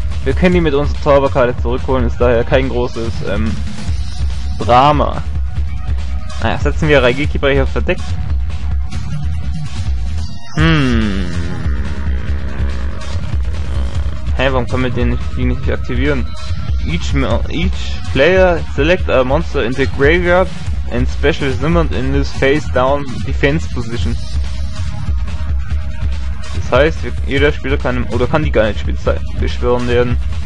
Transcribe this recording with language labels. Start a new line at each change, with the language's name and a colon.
German: Wir können die mit unserer Zauberkarte zurückholen, ist daher kein großes Drama. Naja, setzen wir Raigeki-Brecher verdeckt. Hey, warum können wir die nicht aktivieren?
English: Each player select a monster in the graveyard and special summoned in this face down defense position.
German: Das heißt, jeder Spieler kann oder kann die gar nicht beschwören werden.